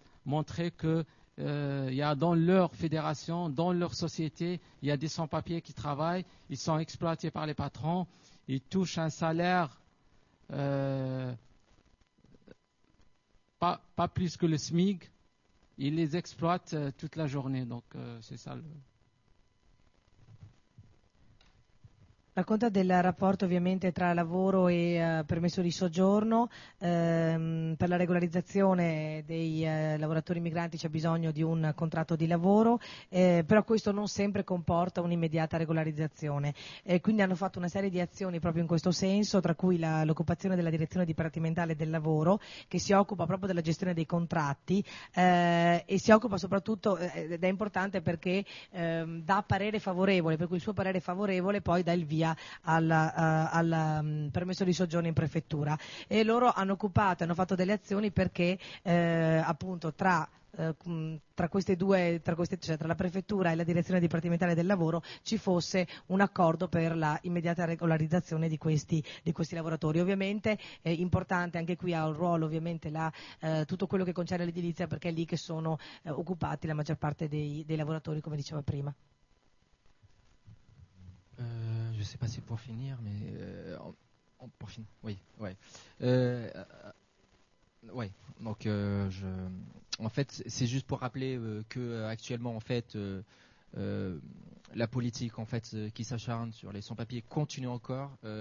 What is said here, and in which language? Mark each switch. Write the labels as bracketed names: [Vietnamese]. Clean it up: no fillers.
[French] montrer que il y a dans leur fédération, dans leur société, il y a des sans-papiers qui travaillent, ils sont exploités par les patrons, ils touchent un salaire pas plus que le SMIC, ils les exploitent toute la journée, donc c'est ça le [Italian] Racconta del rapporto ovviamente tra lavoro e permesso di soggiorno. Per la regolarizzazione dei lavoratori migranti c'è bisogno di un contratto di lavoro, però questo non sempre comporta un'immediata regolarizzazione. Quindi hanno fatto una serie di azioni proprio in questo senso, tra cui l'occupazione della direzione dipartimentale del lavoro, che si occupa proprio della gestione dei contratti, e si occupa soprattutto, ed è importante perché dà parere favorevole, per cui il suo parere favorevole poi dà il via al permesso di soggiorno in prefettura. E loro hanno fatto delle azioni perché appunto tra la prefettura e la direzione dipartimentale del lavoro ci fosse un accordo per la immediata regolarizzazione di questi lavoratori. Ovviamente è importante, anche qui ha un ruolo ovviamente tutto quello che concerne l'edilizia, perché è lì che sono occupati la maggior parte dei lavoratori, come diceva prima. [French] Je ne sais pas si pour finir, mais pour finir, oui, ouais, ouais. Donc, en fait, c'est juste pour rappeler que actuellement, en fait, la politique, en fait, qui s'acharne sur les sans-papiers continue encore.